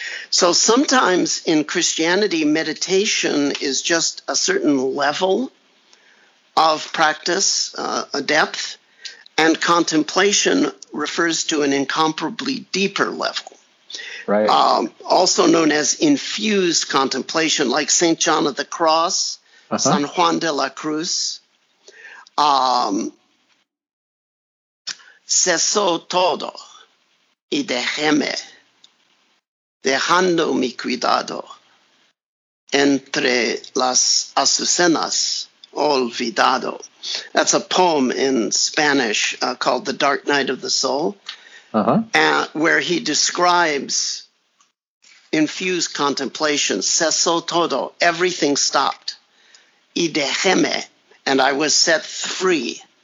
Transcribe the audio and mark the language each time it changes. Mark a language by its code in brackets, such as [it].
[en] So sometimes in Christianity, meditation is just a certain level of practice, a depth, and contemplation refers to an incomparably deeper level. Right. Also known as infused contemplation, like St. [es] John of the Cross, San Juan de la Cruz, Cesó todo y déjeme, dejando mi cuidado entre las azucenas olvidado. [en] That's a poem in Spanish called The Dark Night of the Soul, where he describes infused contemplation. [es] Cesó todo, [en] everything stopped, [es] y déjeme, [en] and I was set free.